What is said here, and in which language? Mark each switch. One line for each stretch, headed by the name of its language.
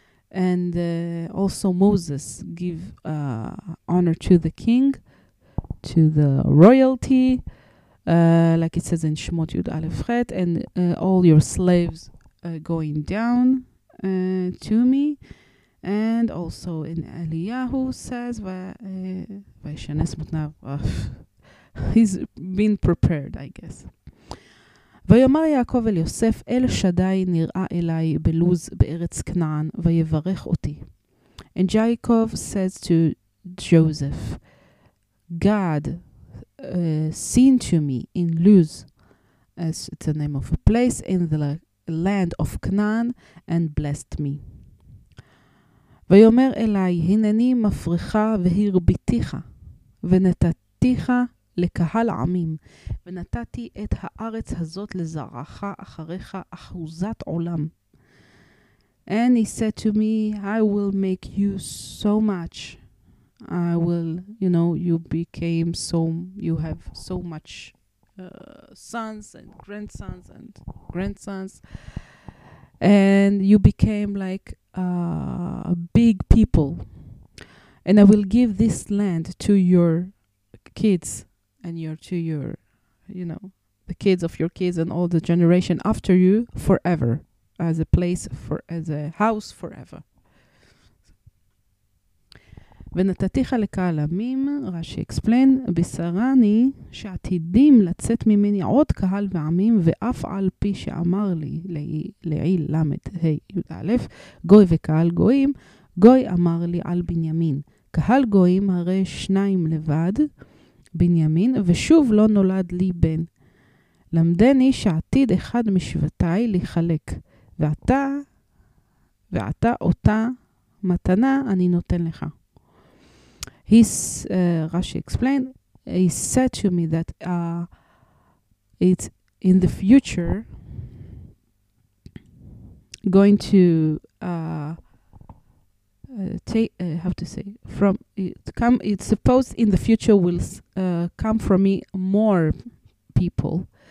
English: And also Moses give honor to the king, to the royalty, like it says in Shemot Yud Aleph Chet, and all your slaves going down to me. And also in Eliyahu says, Vayishanes Mutnav, he's been prepared, I guess.
Hebrew: ויאמר יעקב אל יוסף, אל שדי נראה אליי בלוז בארץ כנען, ויברך אותי.
English: And Jacob says to Joseph, God seen to me in Luz, as it's a name of a place, in the land of כנען, and blessed me.
Hebrew: ויאמר אליי, הנני מפריכה והרביתיך, ונתתיך לקהל עמים, ונתתי את הארץ הזאת לזרעך אחריך אחוזת עולם.
English: And he said to me, I will make you so much. I will, you know, you became so, you have so much sons and grandsons and grandsons. And you became like big people. And I will give this land to your kids. And you're to your, you know, the kids of your kids and all the generation after you forever, as a place for, as a house forever.
Hebrew: ונתתיך לקהל עמים, רשי
English: explain,
Hebrew: בשרני שעתידים לצאת ממני עוד קהל ועמים, ואף על פי שאמר לי, לעיל, למד, י' א', גוי וקהל גויים, גוי אמר לי על בנימין, קהל גויים הרי שניים לבד, בנימין, ושוב לא נולד לי בן. למדני שעתיד אחד משבטי לחלק, ועתה אותה מתנה אני נותן לך.
English: Rashi explained, he said to me that it's in the future going to from it come, it's supposed in the future will come from me more people,